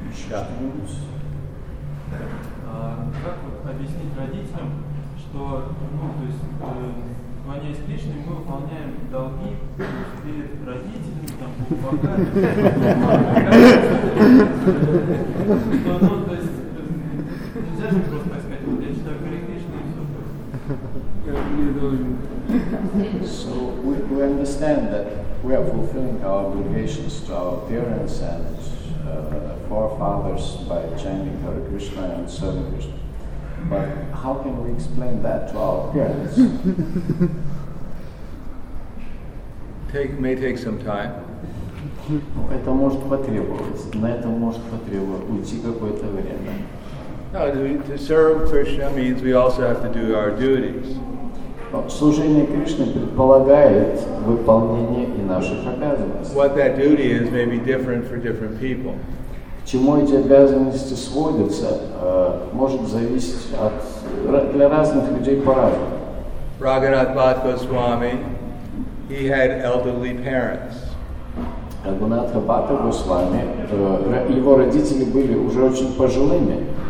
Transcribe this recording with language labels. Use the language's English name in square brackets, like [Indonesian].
[Russian] Как вот объяснить родителям, что, ну, то есть, они с Кришной, мы выполняем долги перед родителями, там, покажут, что, ну, то есть, нельзя же просто так сказать, вот я читаю Харе Кришну и все. Я не должен. [English] So we understand that we are fulfilling our obligations to our parents and forefathers by chanting Hare Krishna and serving Krishna. But how can we explain that to our parents? May take some time. [Russian] Это может потребовать. На это может потребовать уйти какое-то время. [English] No, to serve Krishna means we also have to do our duties. [Russian] Служение Кришне предполагает выполнение и наших обязанностей. [English] What that duty is may be different for different people. [Russian] К чему эти обязанности сводятся, может зависеть от, для разных людей по-разному. [English] Рагханат Бхат Госвами, he had elderly parents. [Russian] Рагханатха Бхата Госвами, его родители были уже очень пожилыми.